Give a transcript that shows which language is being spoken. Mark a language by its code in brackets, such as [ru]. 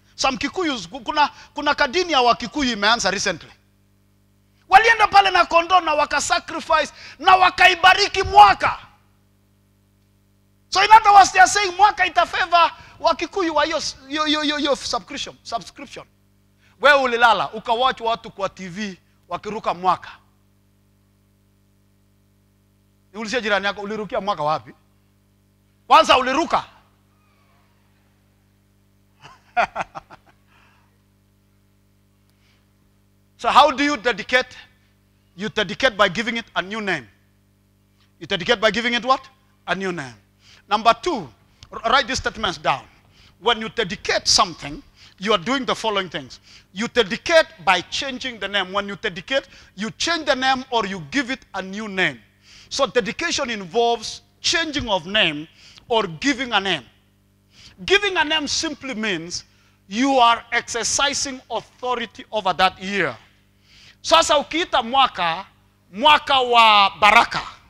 [sw] Some Kikuyu kuna kadini ya Wakikuyu imeanza recently. Walienda pale na kondoo na waka sacrifice na wakaibariki mwaka. [en] So in other words, they are saying [sw] mwaka itafavor Wakikuyu wa yo [en] subscription. [sw] Wewe ulilala ukawatch watu kwa TV wakiruka mwaka. Niulize jirani yako, ulirukia mwaka wapi? Kwanza uliruka. [en] So how do you dedicate? You dedicate by giving it a new name. You dedicate by giving it what? A new name. Number two, write these statements down. When you dedicate something, you are doing the following things. You dedicate by changing the name. When you dedicate, you change the name or you give it a new name. So dedication involves changing of name or giving a name. Giving a name simply means you are exercising authority over that year. [sw] Sasa ukiita mwaka wa baraka.